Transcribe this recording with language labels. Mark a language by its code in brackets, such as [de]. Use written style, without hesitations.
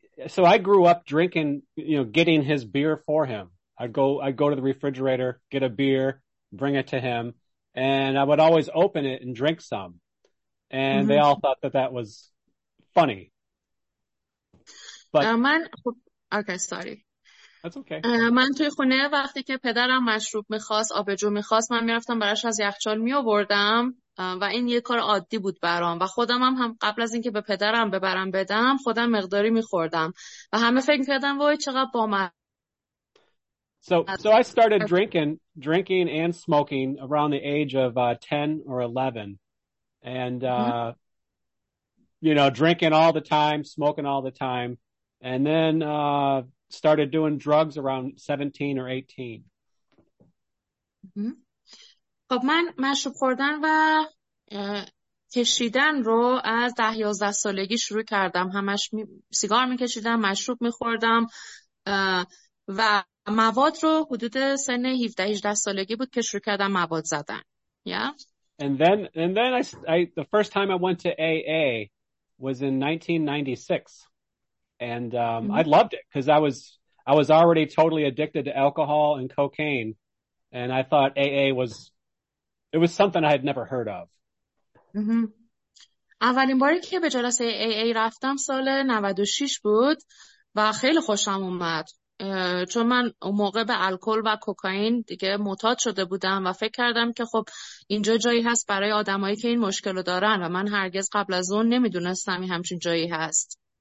[en] So I grew up drinking, you know, getting his beer for him. I'd go to the refrigerator, get a beer, bring it to him, and I would always open it and drink some. And they all thought that was funny. But من okay, sorry. That's okay. [fa] من توی خونه وقتی که پدرم مشروب می‌خواست، آبجو می‌خواست، من می‌رفتم براش از یخچال می‌آوردم. و این یه کار عادی بود برام و خودم هم قبل از اینکه به پدرم ببرم بدم خودم مقداری میخوردم و همه فکر کردن وای چقدر بامزه. [en] So I started drinking and smoking around the age of 10 or 11 and you know, drinking all the time, smoking all the time, and then started doing drugs around 17 or 18. [fa] خب من مشروب خوردن و کشیدن رو از 10-11 سالگی شروع کردم. همش سیگار میکشیدم، مشروب میخوردم و مواد رو حدود سن 17-18 سالگی بود که شروع کردم مواد زدن. [en] And then I the first time I went to AA was in 1996, and I loved it because I was already totally addicted to alcohol and cocaine, and I thought AA was, it was something I had never heard of. [fa] اولین باری که به جلسه AA رفتم سال 96 بود و خیلی خوشم اومد، چون من اون موقع به الکل و کوکائین دیگه معتاد شده بودم و فکر کردم که خب اینجا جایی هست برای آدمایی که این مشکل رو دارن و من هرگز قبل از اون نمیدونستم این همچین جایی هست.